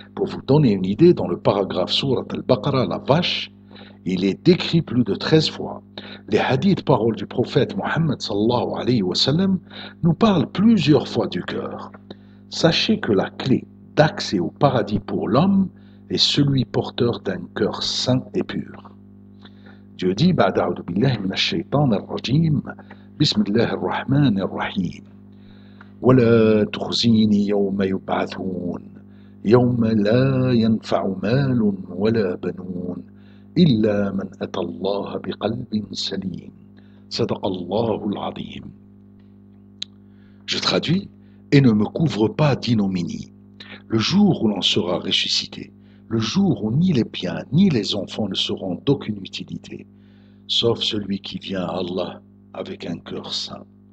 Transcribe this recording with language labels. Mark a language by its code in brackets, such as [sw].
[fr] Pour vous donner une idée, dans le paragraphe Sourate Al-Baqarah, la vache, il est décrit plus de 13 fois. Les hadiths, paroles du prophète Mohammed [ar] sallallahu alayhi wa sallam, [fr] nous parlent plusieurs fois du cœur. Sachez que la clé d'accès au paradis pour l'homme est celui porteur d'un cœur sain et pur. Dieu dit [ar] « بعد أعوذ بالله من الشيطان الرجيم بسم الله الرحمن الرحيم ولا تخزيني يوم يبعثون يوم لا ينفع مال ولا بنون إلا من أتى الله بقلب سليم صدق الله العظيم. [fr] Je traduis et ne me couvre pas d'ignominie le jour où l'on sera ressuscité, le jour où ni les biens ni les enfants ne seront d'aucune utilité, sauf celui qui vient à Allah avec un cœur saint.